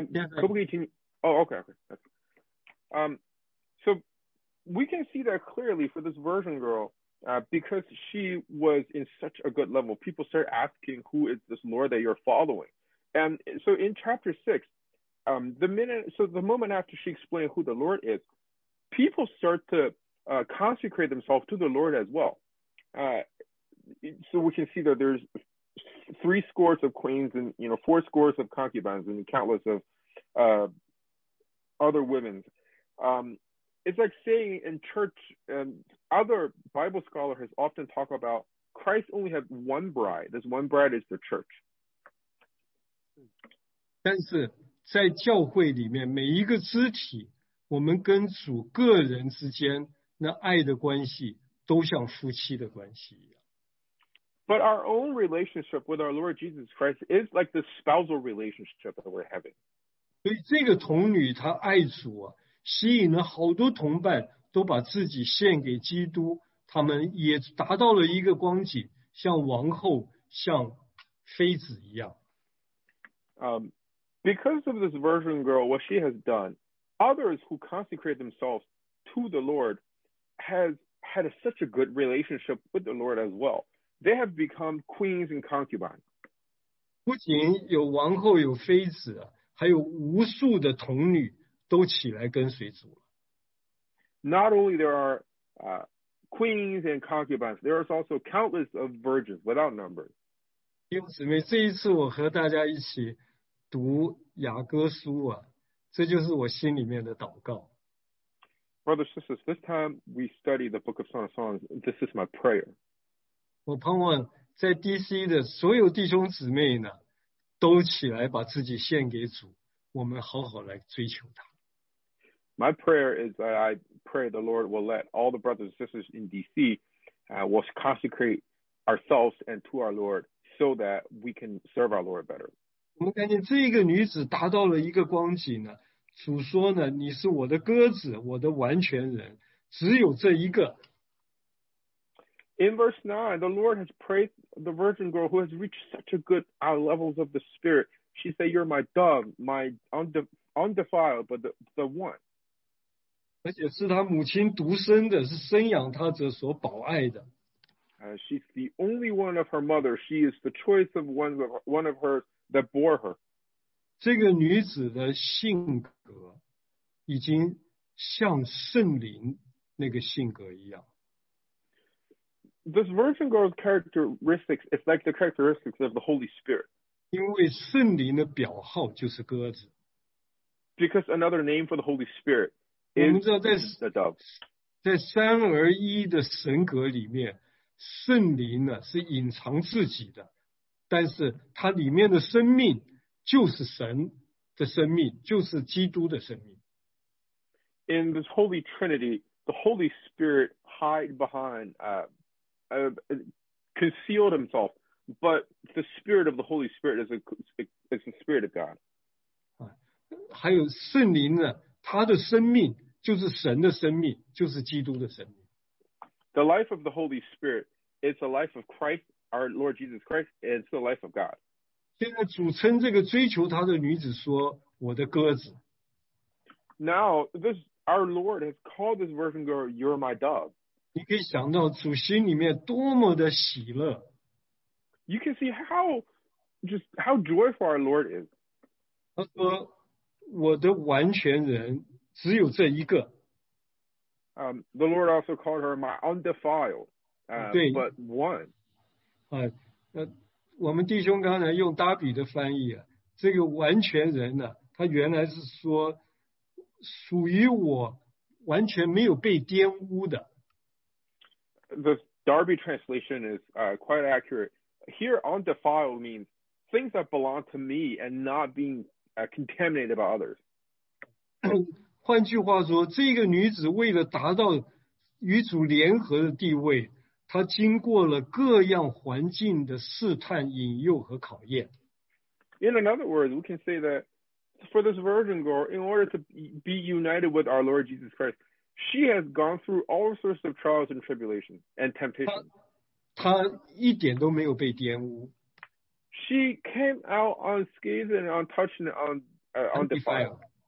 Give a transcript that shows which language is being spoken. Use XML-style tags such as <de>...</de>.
<zh>可不可以请你？哦 ，OK，OK。</zh> <en>So we can see that clearly for this virgin girl, because she was in such a good level. People start asking, "Who is this Lord that you're following?" And so in chapter six, the moment after she explained who the Lord is, people start to consecrate themselves to the Lord as well. So we can see that there's 70 of queens and 70 of concubines and countless of other women. It's like saying in church, and other Bible scholars often talk about Christ only had one bride. This one bride is the church.</en> <zh>但是在教会里面，每一个肢体，我们跟主个人之间那爱的关系，都像夫妻的关系一样。</zh> <en>But our own relationship with our Lord Jesus Christ is like the spousal relationship that we're having.</en> <zh>所以这个童女她爱主啊，吸引了好多同伴都把自己献给基督，他们也达到了一个光景，像王后，像妃子一样。</zh> <en>Because of this virgin girl, what she has done, others who consecrate themselves to the Lord has had such a good relationship with the Lord as well. They have become queens and concubines.</en> <zh>不仅有王后，有妃子，还有无数的童女都起来跟随主了。</zh> <en>Not only there are queens and concubines, there is also countless of virgins without number.</en> <zh>弟兄姊妹，这一次我和大家一起读雅歌书啊，这就是我心里面的祷告。</zh> <en>Brothers and sisters, this time we study the Book of Song of Songs. This is my prayer.</en> <zh>我盼望在 DC 的所有弟兄姊妹呢，都起来把自己献给主，我们好好来追求他。</zh> <en>My prayer is that I pray the Lord will let all the brothers and sisters in D.C. Will consecrate ourselves and to our Lord so that we can serve our Lord better.</en> <zh>我们看见这个女子达到了一个光景呢，主说呢，你是我的鸽子，我的完全人，只有这一个。</zh> <en>In verse 9, the Lord has praised the virgin girl who has reached such a good levels of the Spirit. She said, you're my dove, my undefiled, but the one.</en> <zh>而且是他母亲独生的，是生养他者所保爱的。</zh> <en>She's the only one of her mother. She is the choice of one of her that bore her.</en> <zh>这个女子的性格已经像圣灵那个性格一样。</zh> <en>This virgin girl's characteristics is like the characteristics of the Holy Spirit.</en> <zh>因为圣灵的表号就是鸽子。</zh> <en>Because another name for the Holy Spirit.</en> <zh>我们知道在三而一的神格里面，圣灵呢是隐藏自己的，但是它里面的生命就是神的生命，就是基督的生命。</zh> <en>In this Holy Trinity, the Holy Spirit hide behind, concealed himself, but the Spirit of the Holy Spirit is the Spirit of God.</en> <zh>还有圣灵呢，他的生命就是神的生命，就是基督的生命。</zh> <en>The life of the Holy Spirit is the life of Christ, our Lord Jesus Christ, and it's the life of God.</en> <zh>现在主称这个追求他的女子说：“我的鸽子。”</zh> <en>Now this our Lord has called this virgin girl, "You're my dove."</en> <zh>你可以想到主心里面多么的喜乐。</zh> <en>You can see how joyful our Lord is.</en> <zh>他说：“我的完全人。” 只有这一个。</zh> <en>The Lord also called her my undefiled, but one.</en> <zh>我们弟兄刚才用达比的翻译，这个完全人呢，他原来是说属于我，完全没有被玷污的。</zh> <en>The Darby translation is quite accurate. Here, undefiled means things that belong to me and not being contaminated by others.</en> <zh>换句话说，这个女子为了达到与主联合的地位，她经过了各样环境的试探、引诱和考验。</zh> <en>In another word, we can say that for this virgin girl, in order to be united with our Lord Jesus Christ, She has gone through all sorts of trials and tribulations and temptations.</en> <zh>她一点都没有被玷污。</zh> <en>She came out unscathed and untouched and undefiled.</en>